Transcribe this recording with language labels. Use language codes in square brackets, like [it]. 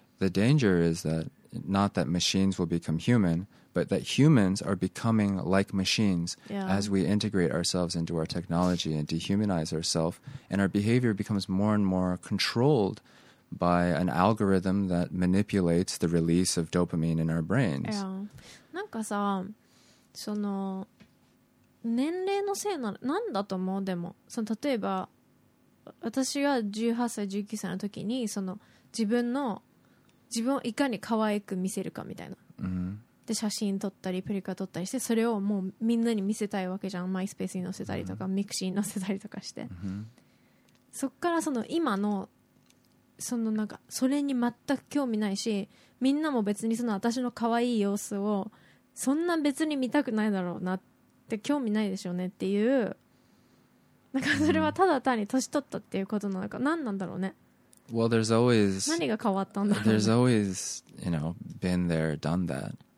[en] The danger is that not that machines will become human, but that humans are becoming like machines yeah. as we integrate ourselves into our technology and dehumanize ourselves, and our behavior becomes more and more controlled by an algorithm that manipulates the release of dopamine in our brains. Yeah. [ja] なんかさ、その年齢のせいな、なんだと思う？でも、その例えば私が18歳、19歳の時にその自分をいかに可愛く見せるかみたいな、 mm-hmm. で写真撮ったりプリカ撮ったりして、それをもうみんなに見せたいわけじゃん。マイスペースに載せたりとか、mm-hmm. ミクシーに載せたりとかして、 mm-hmm. そっからその今のそのなんかそれに全く興味ないし、みんなも別にその私の可愛い様子をそんな別に見たくないだろうなって、興味ないでしょうねっていう、なんかそれはただ単に年取ったっていうことなのか、何なんだろうね。 [en] Well, there's always... [ja] 何が変わったんだろう? [en] There's always, you know, been there, done that.